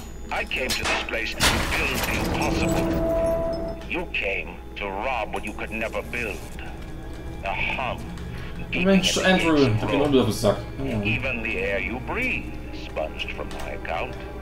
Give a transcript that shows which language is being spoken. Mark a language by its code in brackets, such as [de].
[en] I came to this place to build the impossible. You came to rob what you could never build. A hum [de] Mensch, Andrew, du bist nur auf den Sack. [en] Even the air you breathe, sponged from my account.